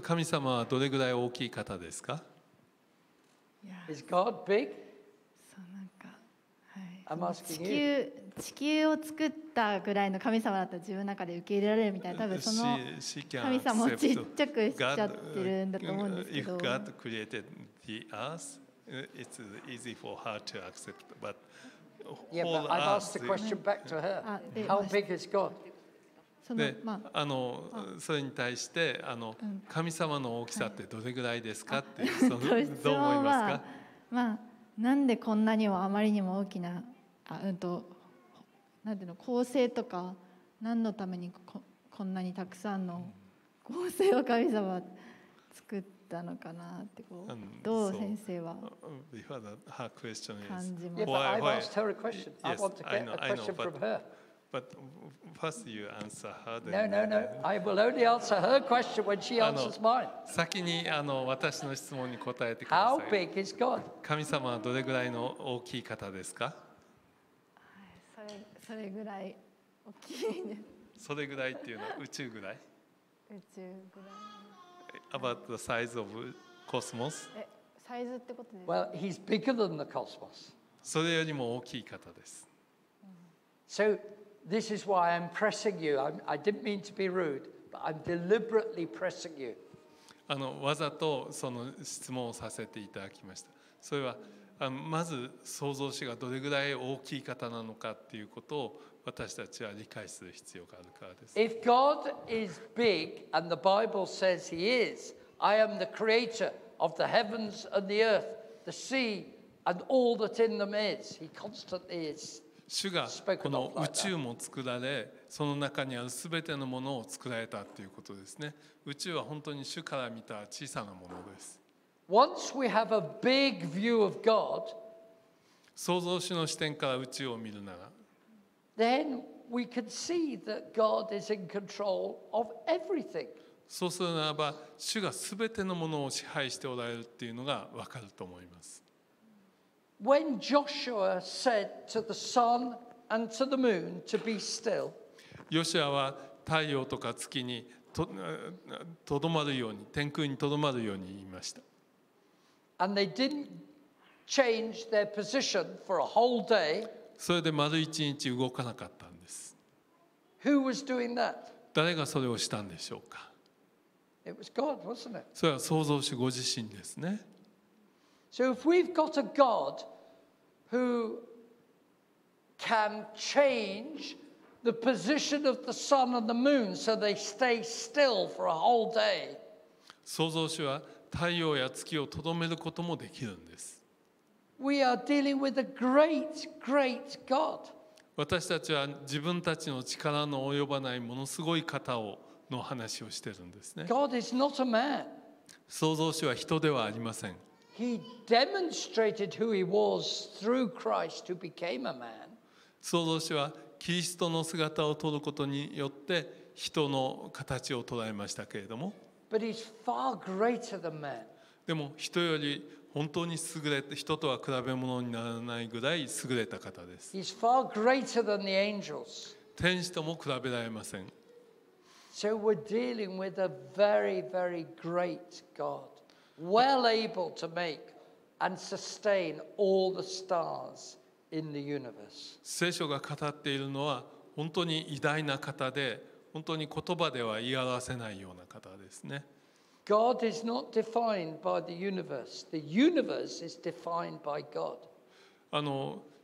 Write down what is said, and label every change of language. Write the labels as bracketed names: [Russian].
[Japanese] 神様はどれぐらい大きい方ですか？ [English] Is God big? [Japanese] そうなんか、 [English] はい。I'm asking [Japanese] 地球を作ったぐらいの神様だったら自分の中で受け入れられるみたいな。多分その神様をちっちゃくしちゃってるんだと思うんですけど。 [English] If God created the earth, it's easy for her to accept. But yeah, but I've asked the question back to her. How big is God? [Japanese] で、それに対して神様の大きさってどれぐらいですかって、はい、どう思いますか？まあ、まあ、なんでこんなにもあまりにも大きな、なんていうの、恒星とか、何のために こんなにたくさんの恒星を神様作ったのかなってこう、どう先生は感じますか？ [English] Yeah, but I've asked her a question. I want to get a question from her. But first you answer her. No, no, no. I will only answer her question when she answers mine. [Japanese] 先に私の質問に答えてください。 [English] How big is God? [Japanese] 神様はどれぐらいの大きい方ですか？それぐらい大きいね。それぐらいっていうのは宇宙ぐらい？宇宙ぐらい。 [English] About the size of cosmos? [Japanese] サイズってことですか？ [English] Well, he's bigger than the cosmos. [Japanese] それよりも大きい方です。 [English] So,This is why I'm pressing you. I didn't mean to be rude, but I'm deliberately pressing you. [Japanese] わざとその質問をさせていただきました。それはまず創造主がどれぐらい大きい方なのかっていうことを私たちは理解する必要があるからです。 [English] If God is big and the Bible says He is, I am the creator of the heavens and the earth, the sea and all that in them is. He constantly is. [Japanese] 主がこの宇宙も作られ、その中にある全てのものを作られたということですね。宇宙は本当に主から見た小さなものです。 [English] Once we have a big view of God, [Japanese] 創造主の視点から宇宙を見るなら、 [English] then we can see that God is in control of everything. [Japanese] そうするならば、主が全てのものを支配しておられるっていうのがわかると思います。 [English] When Joshua said to the sun and to the moon to be still, [Japanese] ヨシュアは太陽とか月にとどまるように、天空にとどまるように言いました。 [English] And they didn't change their position for a whole day. [Japanese] それで丸一日動かなかったんです。 [English] Who was doing that? [Japanese] 誰がそれをしたんでしょうか。 [English] It was God, wasn't it? [Japanese] それは創造主ご自身ですね。 [English] So if we've got a God who can change the position of the sun and the moon so they stay still for a whole day. [Japanese] 創造主は太陽や月をとどめることもできるんです。 [English] We are dealing with a great, great God. [Japanese] 私たちは自分たちの力の及ばないものすごい方をの話をしているんですね。 [English] God is not a man. [Japanese] 創造主は人ではありません。 [English] He demonstrated who he was through Christ who became a man. [Japanese] 創造主はキリストの姿を取ることによって人の形を捉えましたけれども。 [English] But he's far greater than man. [Japanese] でも人より本当に優れて人とは比べ物にならないぐらい優れた方です。 [English] He's far greater than the angels. [Japanese] 天使とも比べられません。 [English] So we're dealing with a very, very great God. Well able to make and sustain all the stars in the universe. [Japanese] 聖書が語っているのは本当に偉大な方で、本当に言葉では言い表せないような方ですね。 [English] God is not defined by the universe. The universe is defined by God.